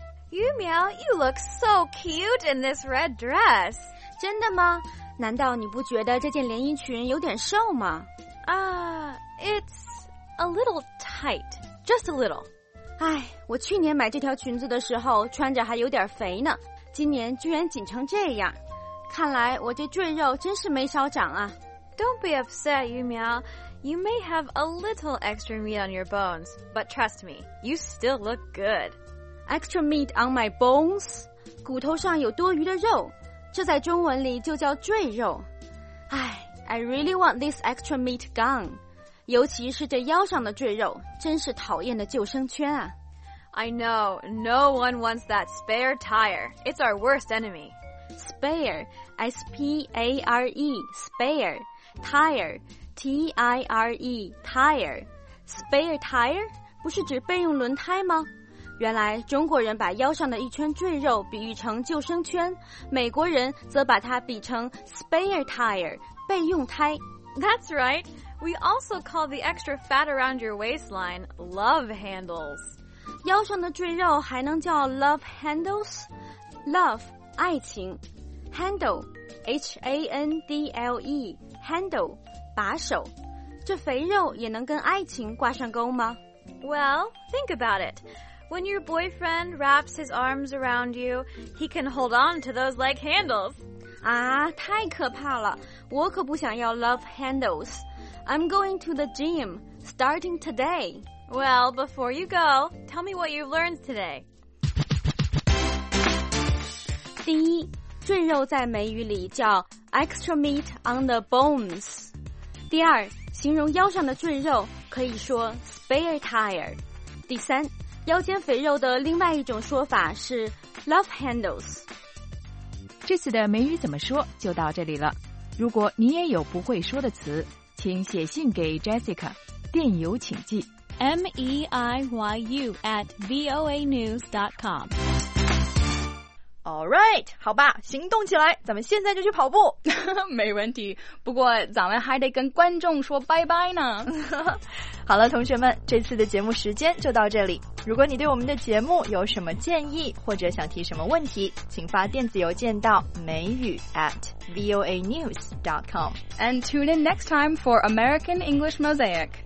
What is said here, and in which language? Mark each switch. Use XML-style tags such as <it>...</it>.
<en>鱼苗， you look so cute in this red dress.</en> <zh>真的吗？难道你不觉得这件连衣裙有点瘦吗？</zh> <en>It's a little tight, just a little.</en> <zh>哎，我去年买这条裙子的时候穿着还有点肥呢，今年居然紧成这样，看来我这赘肉真是没少长啊。</zh> <en>Don't be upset, Yumiao. You may have a little extra meat on your bones, but trust me, you still look good. Extra meat on my bones?</en> <zh>骨头上有多余的肉，这在中文里就叫赘肉。</zh> <en>哎， I really want this extra meat gone.</en> <zh>尤其是这腰上的赘肉，真是讨厌的救生圈啊。</zh> <en>I know, no one wants that spare tire. It's our worst enemy. Spare, S-P-A-R-E, spare, tire, T-I-R-E, tire. Spare tire?</en> <zh>不是指备用轮胎吗？原来中国人把腰上的一圈赘肉比喻成救生圈，美国人则把它比成 spare tire, 备用胎。</zh> <en>That's right. We also call the extra fat around your waistline love handles.</en> <zh>腰上的赘肉还能叫 love handles?</zh> <en>Love,</en> <zh>爱情。</zh> <en>Handle, H-A-N-D-L-E, handle,</en> <zh>把手。这肥肉也能跟爱情挂上钩吗？</zh> <en>Well, think about it. When your boyfriend wraps his arms around you, he can hold on to those leg handles.</en> <zh>啊，太可怕了。我可不想要 love handles.</zh> <en>I'm going to the gym, starting today. Well, before you go, tell me what you've learned today.</en> <zh>第一，赘肉在美语里叫</zh> <en>extra meat on the bones.</en> <zh>第二，形容腰上的赘肉可以说 spare tire. 第三，腰间肥肉的另外一种说法是 love handles. 这次的美语怎么说就到这里了。如果你也有不会说的词，请写信给 Jessica， 电邮请寄</zh> <en>meiyu@voanews.com。 All right，</en> <zh>好吧，行动起来，咱们现在就去跑步。没问题，不过咱们还得跟观众说拜拜呢。好了，同学们，这次的节目时间就到这里。如果你对我们的节目有什么建议，或者想提什么问题，请发电子邮件到美语@voanews.com。</zh> <en>And tune in next time for American English Mosaic.</en>